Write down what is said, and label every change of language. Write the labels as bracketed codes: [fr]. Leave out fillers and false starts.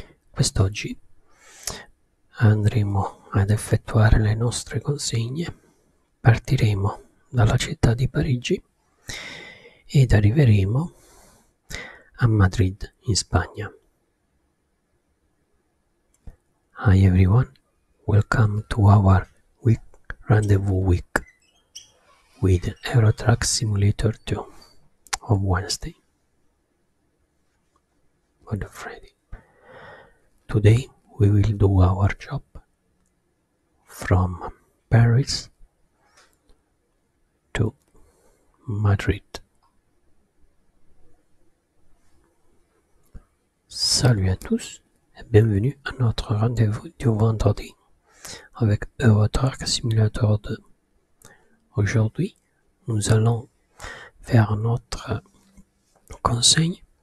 [it] Quest'oggi andremo ad effettuare le nostre consegne, partiremo dalla città di Parigi ed arriveremo a Madrid in Spagna. [en] Hi everyone, welcome to our Rendezvous week with Eurotruck Simulator 2 on Wednesday. Good Friday. Today we will do our job from Paris to Madrid. [fr] Salut à tous et bienvenue à notre rendez-vous du vendredi. Avec Eurotruck Simulator 2. Aujourd'hui, nous allons faire notre consigne.